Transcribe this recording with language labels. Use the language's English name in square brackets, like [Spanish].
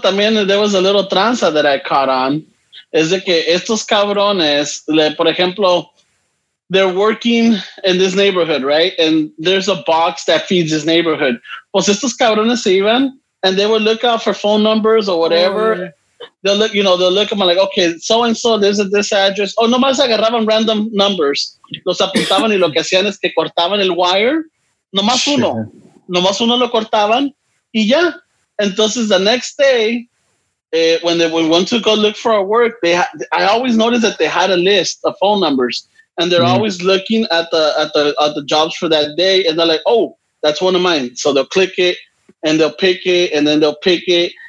[Spanish] también [English] there was a little tranza that I caught on. [Spanish] Es de que estos cabrones, por ejemplo, [English] they're working in this neighborhood, right? And there's a box that feeds this neighborhood. [Spanish] Pues estos cabrones iban, [English] and they would look out for phone numbers or whatever. Oh, yeah. They'll look, you know, they'll look at me like, okay, so-and-so, this is this address. [Spanish] Oh, nomás agarraban [English] random numbers. [Spanish] Los apuntaban y lo que hacían es que cortaban el wire. Nomás uno. Nomás uno lo cortaban y ya. [English] Entonces, the next day, when we went to go look for our work, I always noticed that they had a list of phone numbers. And they're always looking at the jobs for that day, and they're like, "Oh, that's one of mine." So they'll click it, and they'll pick it, and then they'll pick it.